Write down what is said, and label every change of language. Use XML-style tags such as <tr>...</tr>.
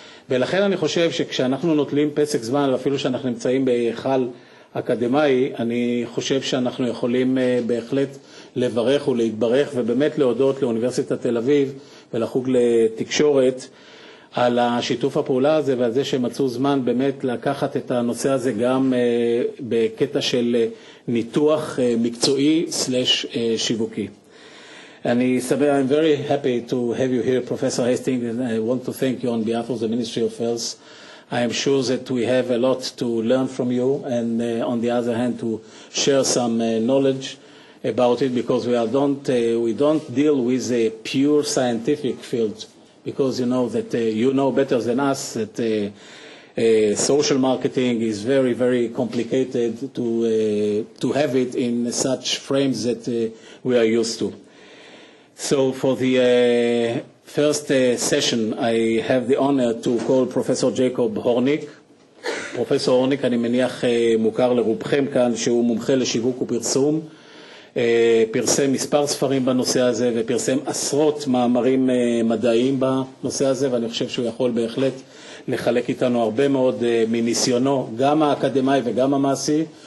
<he>ולכן אני חושב שכשאנחנו נוטלים פסק זמן, ואפילו שאנחנו נמצאים בהיכל אקדמאי, אני חושב שאנחנו יכולים בהחלט לברך ולהתברך ובאמת להודות לאוניברסיטת תל אביב ולחוג לתקשורת על השיתוף הפעולה הזה ועל זה שמצאו זמן באמת לקחת את הנושא הזה גם בקטע של ניתוח מקצועי / שיווקי.</he> <en>And I'm very happy to have you here, Professor Hastings, and I want to thank you on behalf of the Ministry of Health. I am sure that we have a lot to learn from you, and on the other hand, to share some knowledge about it, because we don't deal with a pure scientific field, because you know that you know better than us that social marketing is very, very complicated to have it in such frames that we are used to. So for the first session, I have the honor to call Professor Jacob Hornick.</en> <he>Professor Hornick, אני מניח מוכר לרובכם כאן, שהוא מומחה לשיווק ופרסום. פרסם מספר ספרים בנושא הזה ופרסם עשרות מאמרים מדעיים בנושא הזה, ואני חושב שהוא יכול בהחלט לחלק איתנו הרבה מאוד מניסיונו, גם האקדמי וגם המעשי.</he>